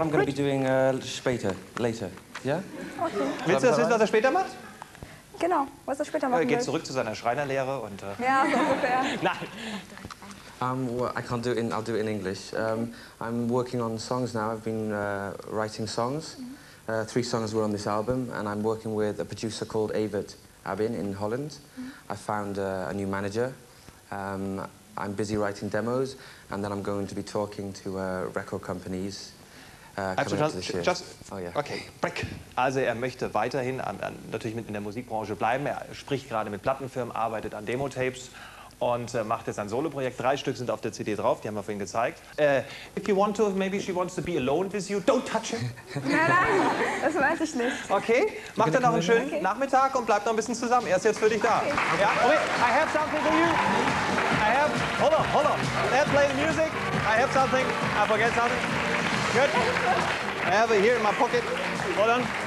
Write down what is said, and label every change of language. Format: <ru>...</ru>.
<en>What I'm going to be doing später, later. Yeah? Okay.</en> <de>Willst du das wissen, was er später macht? Genau, was er später machen will. Er geht zurück zu seiner Schreinerlehre und... Ja, so ungefähr. Nein.</de> <en>Well, I can't do it in, I'll do it in English. I'm working on songs now. I've been writing songs. Mm-hmm. Three songs were on this album, and I'm working with a producer called Evert Abin in Holland. Mm-hmm. I found a new manager. I'm busy writing demos, and then I'm going to be talking to record companies. Okay.</en> <de>Also er möchte weiterhin natürlich mit in der Musikbranche bleiben. Er spricht gerade mit Plattenfirmen, arbeitet an Demo-Tapes. Und macht jetzt ein Solo-Projekt. Drei Stück sind auf der CD drauf, die haben wir vorhin gezeigt.</de> <en>If you want to, maybe she wants to be alone with you, don't touch her.</en> <de>Nein, nein, das weiß ich nicht. Okay, macht dann noch einen schönen Nachmittag und bleibt noch ein bisschen zusammen. Er ist jetzt für dich da. Okay. Ja?</de> <en>Okay. I have something for you. I have, hold on, hold on. Let's play the music. I have something, I forget something. Good. I have it here in my pocket. Hold on.</en>